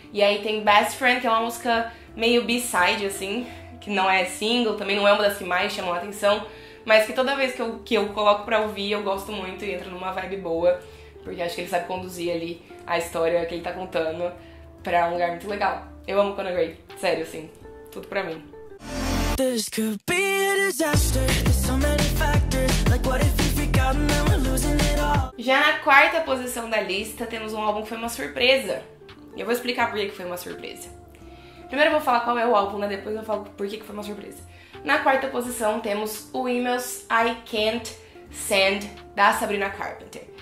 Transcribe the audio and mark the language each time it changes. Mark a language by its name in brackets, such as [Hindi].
[Portuguese] E aí tem Best Friend, que é uma música meio B-side, assim, que não é single, também não é uma das que mais chamam a atenção, mas que toda vez que eu coloco pra ouvir, eu gosto muito e entro numa vibe boa, porque acho que ele sabe conduzir ali a história que ele tá contando pra um lugar muito legal. Eu amo Conan Gray, sério, assim, tudo pra mim. [English] This could be a disaster. There's so many factors. Like what if you forgot and then we're losing it all. [Portuguese] Já na quarta posição da lista, temos um álbum que foi uma surpresa. E eu vou explicar por que foi uma surpresa. Primeiro eu vou falar qual é o álbum, né? Depois eu falo por que foi uma surpresa. Na quarta posição temos o Emails I Can't Send, da Sabrina Carpenter.